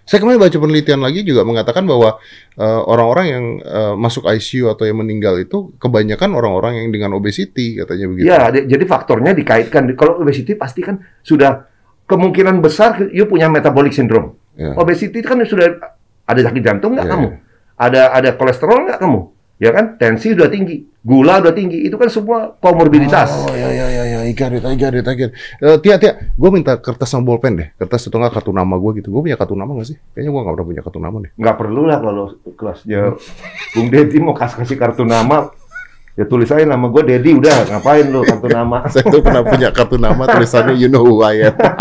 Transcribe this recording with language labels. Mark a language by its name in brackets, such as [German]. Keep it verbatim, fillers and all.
[Indonesian] Saya kemarin baca penelitian lagi juga mengatakan bahwa uh, orang-orang yang uh, masuk I C U atau yang meninggal itu kebanyakan orang-orang yang dengan obesity katanya begitu. Ya, d- jadi faktornya dikaitkan. Kalau obesity pasti kan sudah kemungkinan besar you punya metabolic syndrome. Ya. Obesity kan sudah ada sakit jantung nggak ya, kamu? Ya. Ada ada kolesterol nggak kamu? Ya kan? Tensi sudah tinggi, gula sudah tinggi. Itu kan semua komorbiditas. [English] Oh, ya, ya, ya, ya. I got it, I got it, I got it. [Indonesian] Uh, Tia, Tia, gue minta kertas sama bolpen deh. Kertas atau nggak kartu nama gue gitu. Gue punya kartu nama nggak sih? Kayaknya gue nggak pernah punya kartu nama deh. Nggak perlu lah kalau kelasnya Bung Deddy mau kasih kartu nama. Ya tulis aja nama gue Deddy, udah. Ngapain lu kartu nama? Saya tuh pernah punya kartu nama tulisannya [English] you know who I am.